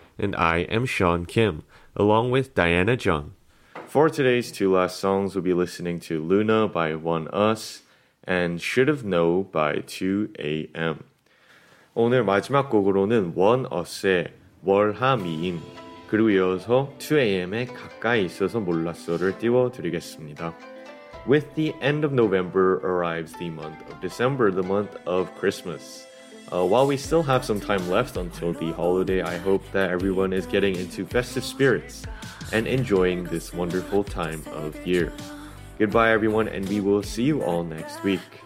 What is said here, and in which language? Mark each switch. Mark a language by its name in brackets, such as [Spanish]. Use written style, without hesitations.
[English] And I am Sean Kim, along with Diana Jung. For today's two last songs, we'll be listening to Luna by One Us and Should've Know by 2AM. [Korean] 오늘 마지막 곡으로는 One Us의 월하 미인, 그리고 이어서 2AM에 가까이 있어서 몰랐어를 띄워드리겠습니다. [English] With the end of November arrives the month of December, the month of Christmas. While we still have some time left until the holiday, I hope that everyone is getting into festive spirits and enjoying this wonderful time of year. Goodbye everyone, and we will see you all next week.